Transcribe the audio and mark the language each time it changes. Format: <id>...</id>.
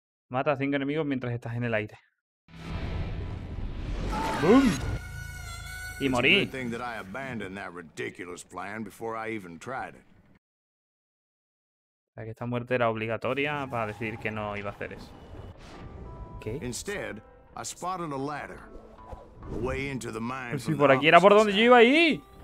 <es>Mata a 5 enemigos mientras estás en el aire. Y morí.</es> <en>It's a thing that I abandoned that ridiculous plan before I even tried it.</en> <es>Esta muerte era obligatoria para decir que no iba a hacer eso. ¿Qué?</es> <en>Instead, I spotted a ladder. A way into the mine.</en> <es>Si por aquí era por donde yo iba ahí.</es>